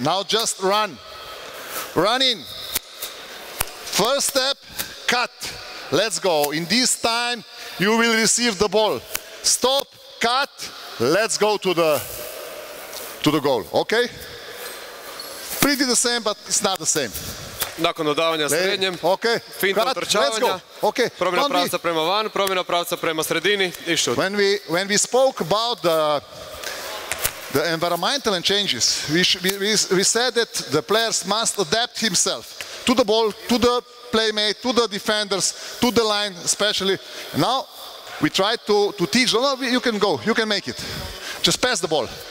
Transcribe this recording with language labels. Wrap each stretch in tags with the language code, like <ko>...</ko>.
<en>Now just run. Run in. First step, cut. Let's go. In this time, you will receive the ball. Stop, cut. Let's go to the goal, okay? Pretty the same, but it's not the same.</en> <bs>Nakon dodavanja srednjem,</bs> <en>okay.</en> <bs>Finta utrčavanja,</bs> <en>okay.</en> <bs>Promjena pravca prema van, promjena pravca prema sredini i šut.</bs> <en>When we spoke about the environmental changes, we said that the players must adapt himself to the ball, to the playmate, to the defenders, to the line especially. Now we try to teach, oh, no, you can go, you can make it. Just pass the ball.</en>